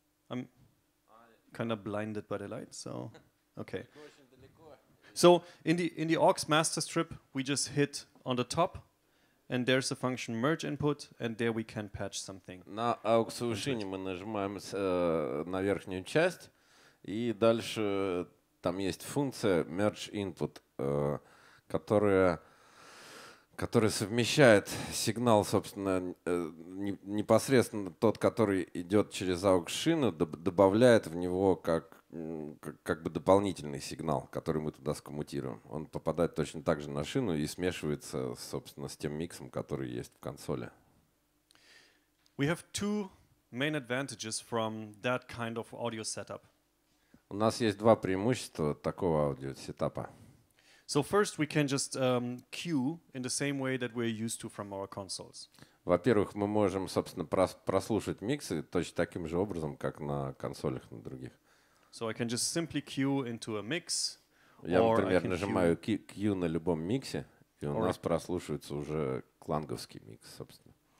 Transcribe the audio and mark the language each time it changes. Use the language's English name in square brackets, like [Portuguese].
[English] I'm kind of blinded by the light, so okay. So in the aux master strip, we just hit on the top, and there's a function merge input, and there we can patch something. [Russian] На аux-овой шине мы нажимаем на верхнюю часть, и дальше там есть функция merge input, которая совмещает сигнал, собственно, непосредственно тот, который идет через аукс-шину, добавляет в него как бы дополнительный сигнал, который мы туда скоммутируем. Он попадает точно так же на шину и смешивается, собственно, с тем миксом, который есть в консоли. [English] We have two main advantages from that kind of audio setup. [Russian] У нас есть два преимущества такого аудио-сетапа. [English] So first we can just queue in the same way that we're used to from our consoles. [Russian] Во-первых, мы можем, собственно, прослушать миксы точно таким же образом, как на консолях на других. [English] So I can just simply queue into a mix. [Russian] Я, например, нажимаю queue на любом миксе, и у нас прослушивается уже кланговский микс, собственно.